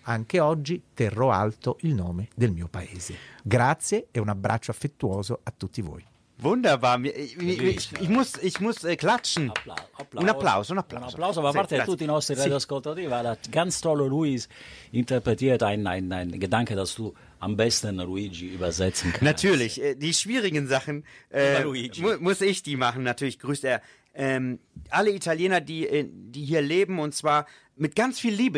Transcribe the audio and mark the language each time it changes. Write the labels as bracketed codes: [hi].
[it] Anche oggi terrò alto il nome del mio paese. Grazie e un abbraccio affettuoso a tutti voi. [de] Wunderbar, ich muss klatschen. [it] Un applauso da parte di tutti i nostri radioascoltatori. [de] War das ganz toll, Luis interpretiert ein Gedanke, dass du am besten Luigi übersetzen kannst. Natürlich, die schwierigen Sachen muss ich die machen. Natürlich grüßt er alle Italiener, die hier leben, und zwar mit ganz viel Liebe.